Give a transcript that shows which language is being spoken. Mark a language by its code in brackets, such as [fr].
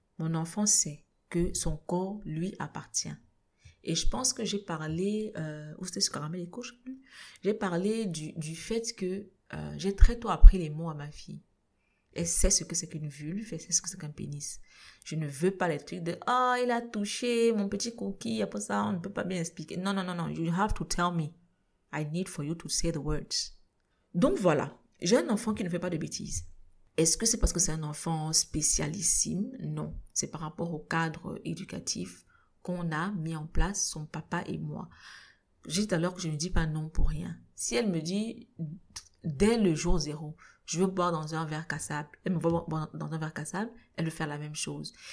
[fr] Mon enfant sait que son corps lui appartient. Et je pense que j'ai parlé, où c'était ce caramel et couche? J'ai parlé du fait que j'ai très tôt appris les mots à ma fille. Elle sait ce que c'est qu'une vulve, elle sait ce que c'est qu'un pénis. Je ne veux pas les trucs de ah, oh, il a touché mon petit cookie, après ça, on ne peut pas bien expliquer. Non, non, non, non, [en] you have to tell me. I need for you to say the words. [fr] Donc voilà, j'ai un enfant qui ne fait pas de bêtises. Est-ce que c'est parce que c'est un enfant spécialissime? Non, c'est par rapport au cadre éducatif qu'on a mis en place, son papa et moi. J'ai dit alors que je ne dis pas non pour rien. Si elle me dit, dès le jour zéro, je veux boire dans un verre cassable, elle me voit boire dans un verre cassable, elle veut faire la même chose.